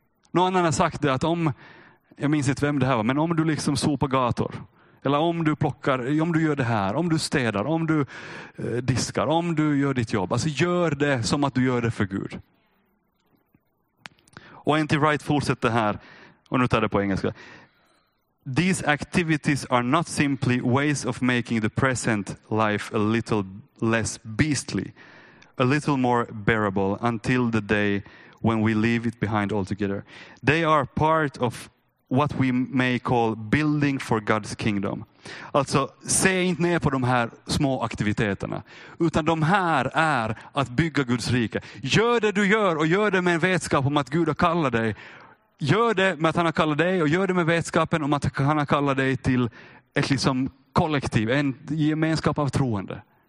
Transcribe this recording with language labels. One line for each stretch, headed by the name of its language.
Swedish: Någon annan har sagt det, att om, jag minns inte vem det här var, men om du liksom sopar gator, eller om du plockar, om du gör det här, om du städar, om du diskar, om du gör ditt jobb, alltså gör det som att du gör det för Gud. Och N.T. Wright fortsätter här, och nu tar det på engelska.
English: These activities are not simply ways of making the present life a little less beastly, a little more bearable until the day when we leave it behind altogether. They are part of what we may call building for God's kingdom.
Swedish: Alltså, se inte ner på de här små aktiviteterna, utan de här är att bygga Guds rike. Gör det du gör, och gör det med en vetskap om att Gud har kallat dig. Gör det med att han har kallat dig, och gör det med vetskapen om att han har kallat dig till ett liksom kollektiv, en gemenskap av troende.